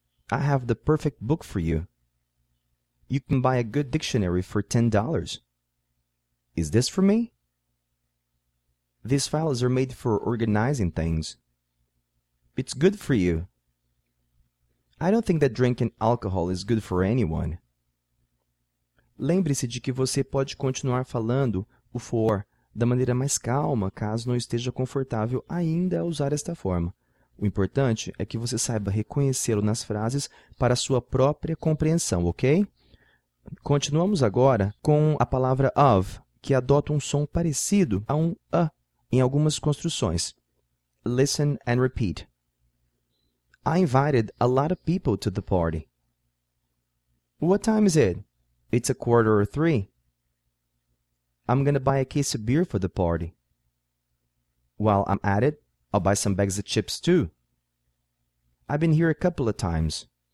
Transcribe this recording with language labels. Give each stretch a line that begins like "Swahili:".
English: I have the perfect book for you. You can buy a good dictionary for $10. Is this for me? These files are made for organizing things. It's good for you. I don't think that drinking alcohol is good for anyone.
Portuguese: Lembre-se de que você pode continuar falando o for da maneira mais calma, caso não esteja confortável ainda a usar esta forma. O importante é que você saiba reconhecê-lo nas frases para sua própria compreensão, ok? Continuamos agora com a palavra of, que adota um som parecido a um a em algumas construções.
English: Listen and repeat. I invited a lot of people to the party. What time is it? It's a quarter or three. I'm gonna buy a case of beer for the party. While I'm at it, I'll buy some bags of chips too. I've been here a couple of times.